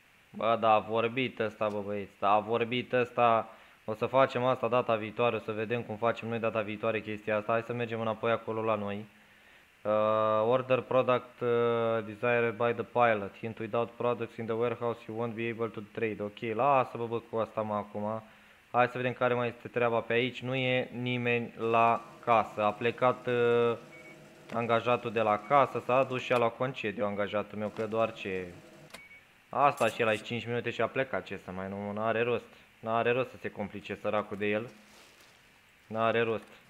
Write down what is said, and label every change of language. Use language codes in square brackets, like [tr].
[ro] Bă, da, a vorbit ăsta, bă, băieți. Da, a vorbit ăsta. O să facem asta data viitoare, o să vedem cum facem noi data viitoare chestia asta. Hai să mergem înapoi acolo la noi. [en] Order product desired by the pilot. Hint, without products in the warehouse, you won't be able to trade. [ro] Ok, lasă-vă bă cu asta mă acum. Hai să vedem care mai este treaba pe aici. Nu e nimeni la casă. A plecat angajatul de la casă, s-a dus și a luat concediu angajatul meu, că doar ce... Asta și el aici 5 minute și a plecat, ce să mai nu, n-are rost. N-are rost să se complice săracul de el. N-are rost.